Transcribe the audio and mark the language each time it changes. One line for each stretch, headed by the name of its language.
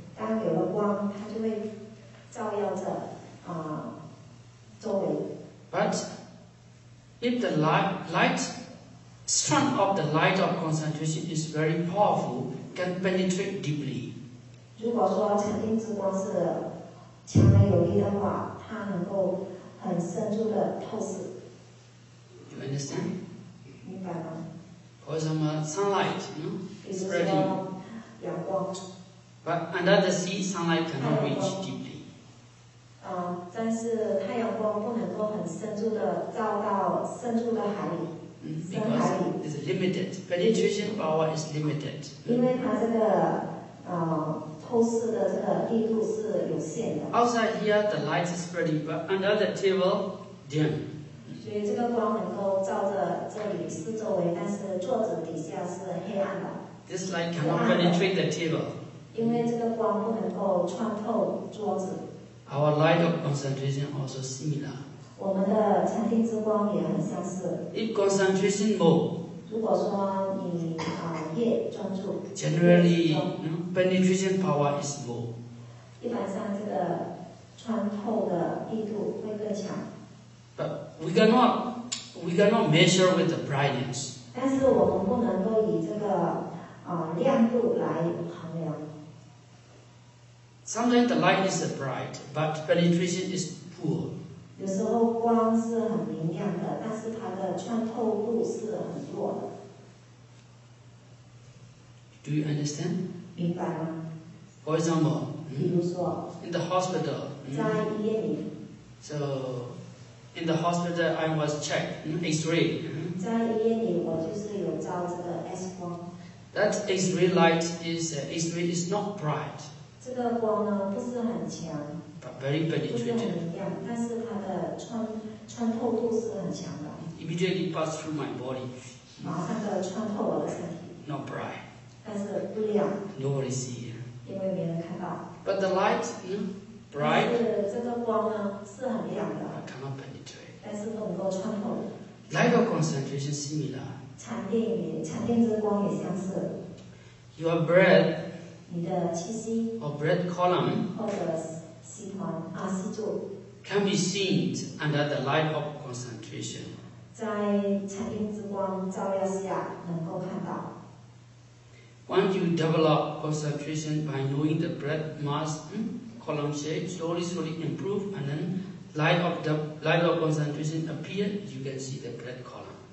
Chinese: 当有了光，它就会照耀着周围。
English: But if the light strength of the light of concentration is very powerful, can penetrate deeply.
Chinese: 如果说禅定之光是强而有力的话，它能够很深入的透视。
English: You understand?
Chinese: 明白吗？或者什么
English: sunlight, spreading. But under the sea, sunlight cannot reach deeply.
Chinese: 但是太阳光不能够很深入的照到深入的海里。
English: Because it's limited. Penetration power is limited.
Chinese: 因为它这个透视的这个力度是有限的。
English: Outside here, the light is spreading, but under the table, dim.
Chinese: 所以这个光能够照着这里四周围，但是桌子底下是黑暗的。
English: This light cannot penetrate the table.
Chinese: 因为这个光不能够穿透桌子。
English: Our light of concentration also similar.
Chinese: 我们的禅定之光也很相似。
English: If concentration mode.
Chinese: 如果说你越专注。
English: Generally, penetration power is more.
Chinese: 一般上这个穿透的力度会更强。
English: But we cannot measure with the brightness.
Chinese: 但是我们不能够以这个亮度来衡量。
English: Sometimes the light is bright, but penetration is poor.
Chinese: 有时候光是很明亮的，但是它的穿透度是很弱的。
English: Do you understand?
Chinese: 明白吗？
English: For example,
Chinese: 比如说
English: in the hospital,
Chinese: 在医院里。
English: So, in the hospital, I was checked, X-ray.
Chinese: 在医院里，我就是有照这个 X 光。
English: That X-ray light is not bright.
Chinese: 这个光呢不是很强。
English: But very penetrative.
Chinese: 但是它的穿透度是很强的。
English: Immediately pass through my body.
Chinese: 马上的穿透我的身体。
English: Not bright.
Chinese: 但是不亮。
English: Nobody see.
Chinese: 因为没人看到。
English: But the light, bright.
Chinese: 但是这个光呢是很亮的。
English: I cannot penetrate.
Chinese: 但是不能够穿透。
English: Light of concentration similar.
Chinese: 禅定之光也相似。
English: Your breath,
Chinese: 你的气息
English: or breath column,
Chinese: 或者气团阿西柱
English: can be seen under the light of concentration.
Chinese: 在禅定之光照耀下能够看到。
English: When you develop concentration by knowing the breath mass column shape, slowly improve, and then light of concentration appear, you can see the breath column.